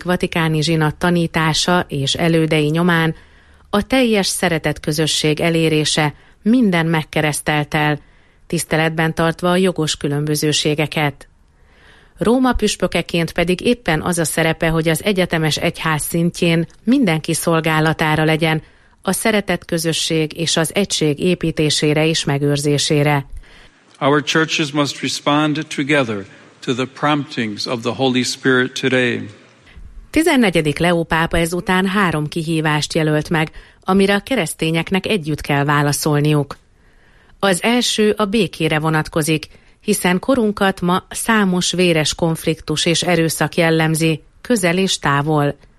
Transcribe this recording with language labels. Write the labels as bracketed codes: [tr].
[hu] Vatikáni zsinat tanítása és elődei nyomán a teljes szeretet közösség elérése minden megkereszteltel, tiszteletben tartva a jogos különbözőségeket. Róma püspökeként pedig éppen az a szerepe, hogy az egyetemes egyház szintjén mindenki szolgálatára legyen, a szeretett közösség és az egység építésére és megőrzésére. [en] Our churches must respond together to the promptings of the Holy Spirit today. [hu] 14. Leó pápa ezután három kihívást jelölt meg, amire a keresztényeknek együtt kell válaszolniuk. Az első a békére vonatkozik, hiszen korunkat ma számos véres konfliktus és erőszak jellemzi, közel és távol.